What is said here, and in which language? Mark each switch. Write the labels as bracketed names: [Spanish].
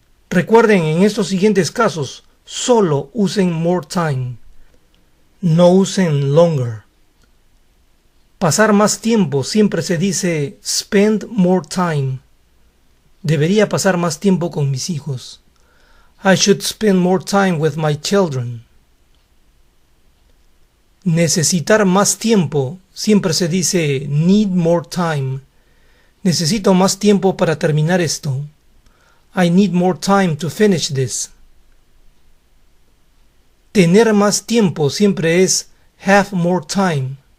[Spanish] Recuerden, en estos siguientes casos, solo usen [English] more time. [Spanish] No usen longer. Pasar más tiempo siempre se dice [English] spend more time. [Spanish] Debería pasar más tiempo con mis hijos. [English] I should spend more time with my children. [Spanish] Necesitar más tiempo siempre se dice [English] need more time. [Spanish] Necesito más tiempo para terminar esto. [English] I need more time to finish this. [Spanish] Tener más tiempo siempre es [English] have more time.